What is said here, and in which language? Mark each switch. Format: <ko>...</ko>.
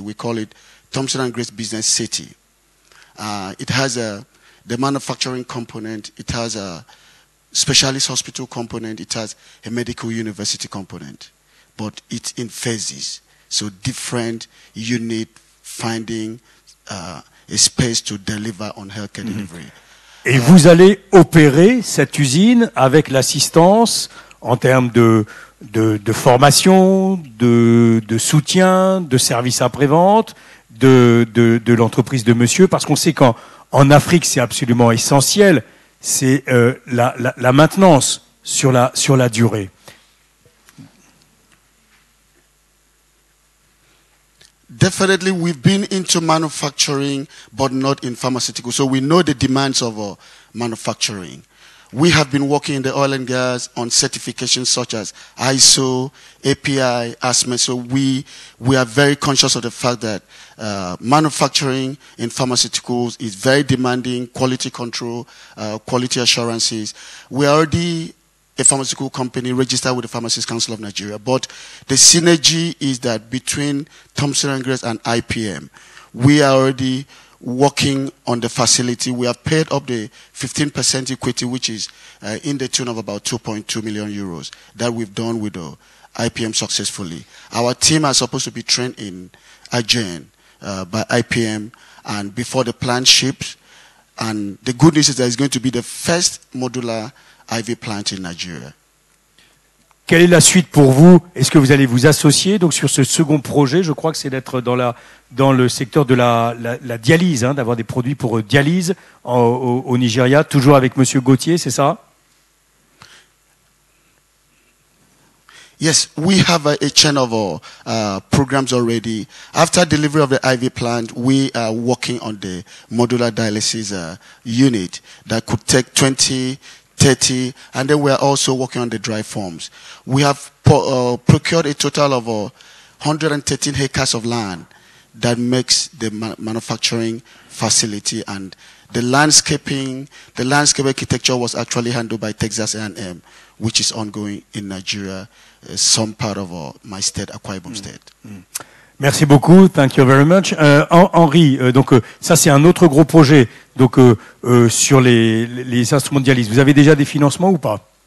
<en>We call it Thomson & Grace Business City. It has the manufacturing component, it has a specialist hospital component, it has a medical university component, but it's in phases. So different unit finding a space to deliver on healthcare delivery.</en> <fr>Et vous allez opérer cette usine avec l'assistance en termes de formation, de soutien, de services après-vente de l'entreprise de monsieur, parce qu'on sait qu'en en Afrique, c'est absolument essentiel, c'est la maintenance sur la durée.</fr> <en>Definitely, we've been into manufacturing, but not in pharmaceuticals. So we know the demands of manufacturing. We have been working in the oil and gas on certifications such as ISO, API, ASME. So we are very conscious of the fact that manufacturing in pharmaceuticals is very demanding, quality control, quality assurances. We are already a pharmaceutical company registered with the Pharmacists Council of Nigeria. But the synergy is that between Thomson & Graves and IPM, we are already working on the facility. We have paid up the 15% equity, which is in the tune of about 2.2 million euros that we've done with IPM successfully. Our team are supposed to be trained in Agen by IPM and before the plant ships. And the good news is that it's going to be the first modular IV plant in Nigeria.</en> <fr>Quelle est la suite pour vous? Est-ce que vous allez vous associer donc sur ce second projet? Je crois que c'est d'être dans le secteur de la dialyse, hein, d'avoir des produits pour dialyse au Nigeria, toujours avec Monsieur Gauthier, c'est ça?</fr> <en>Yes, we have a chain of programs already. After delivery of the IV plant, we are working on the modular dialysis unit that could take 20, 30, and then we are also working on the dry farms. We have procured a total of 113 hectares of land that makes the manufacturing facility, and the landscape architecture was actually handled by Texas A&M, which is ongoing in Nigeria, some part of my state, Akwa Ibom state.</en> <fr>Merci beaucoup.</fr> <en>Thank you very much.</en> <fr>Henri, donc ça c'est un autre gros projet. Donc sur les instruments de dialyse, vous avez déjà des financements ou pas?</fr>